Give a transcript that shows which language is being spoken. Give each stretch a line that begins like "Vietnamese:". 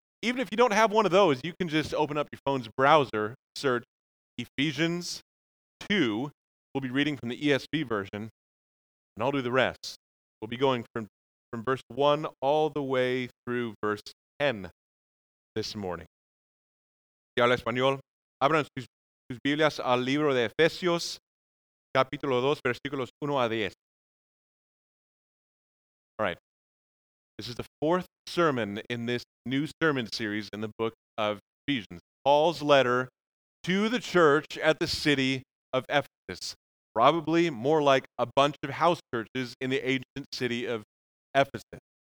English: Even if you don't have one of those, you can just open up your phone's browser, search Ephesians 2. We'll be reading from the ESV version, and I'll do the rest. We'll be going from verse 1 all the way through verse 10 this morning.
Spanish: Si habla español, abran sus Biblias al libro de Efesios, capítulo 2, versículos 1 a 10.
English: All right. This is the fourth sermon in this new sermon series in the book of Ephesians. Paul's letter to the church at the city of Ephesus. Probably more like a bunch of house churches in the ancient city of Ephesus.